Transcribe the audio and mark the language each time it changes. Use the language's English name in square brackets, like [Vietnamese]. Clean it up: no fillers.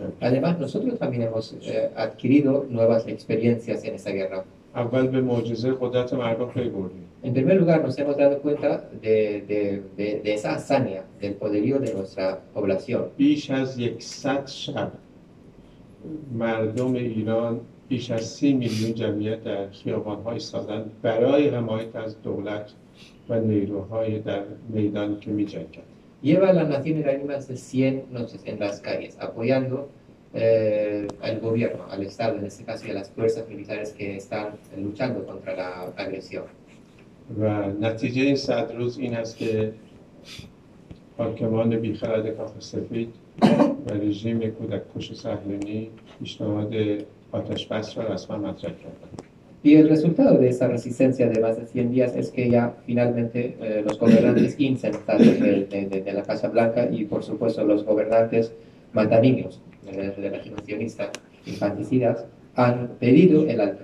[Spanish] Además, nosotros también hemos adquirido nuevas experiencias en esa guerra. [Persian] اول به معجزه قدرت مردم پی بردیم. [Spanish] En primer lugar, nos hemos dado cuenta de esa hazaña del poderío de nuestra población. [Persian] بیش از 100 شب مردم ایران بیش از 30 میلیون جمعیت در خیابان‌ها ایستادند برای حمایت از دولت و نیروهای در میدان که می‌جنگند. [Spanish] Lleva la nación iraní más de 100 noches en las calles apoyando al gobierno, al Estado, en este caso, y a las fuerzas militares que están luchando contra la agresión. [Persian] و نتیجه این 100 روز این است که حاکمان بیخرد کاخ سفید و رژیم کودک کش صهیونی پیشنهاد آتش بس را رسما مطرح کردند. [Spanish] Y el resultado de esa resistencia de más de 100 días es que ya finalmente los gobernantes insensatos de la Casa Blanca y por supuesto los gobernantes mataniños de la sionista infanticidas han pedido el alto